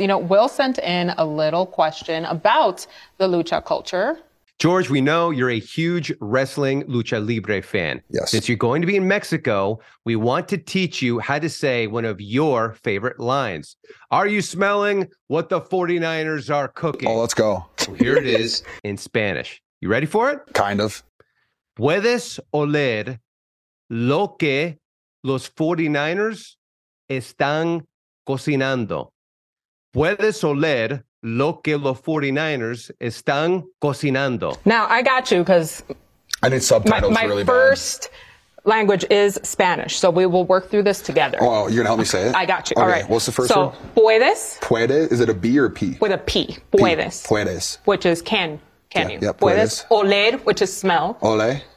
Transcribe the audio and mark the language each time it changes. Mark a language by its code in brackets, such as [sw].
[en] You know, Will sent in a little question about the Lucha culture. George, we know you're a huge wrestling Lucha Libre fan. Yes. Since you're going to be in Mexico, we want to teach you how to say one of your favorite lines. Are you smelling what the 49ers are cooking? Oh, let's go. So here it is in Spanish. You ready for it? Kind of. [es] ¿Puedes oler lo que los 49ers están cocinando? ¿Puedes oler lo que los 49ers están cocinando? [en] Now, I got you because I need subtitles my really first bad. language is Spanish, so we will work through this together. Oh, you're going to help me say it? I got you. Okay. All right. What's the first one? So, puedes. Puede. Is it a B or a P? With a P. Puedes. P. [es] Puedes. [en] Which is can. Can yeah, you? Yeah, puedes. Oler, which is smell. [es] Ole.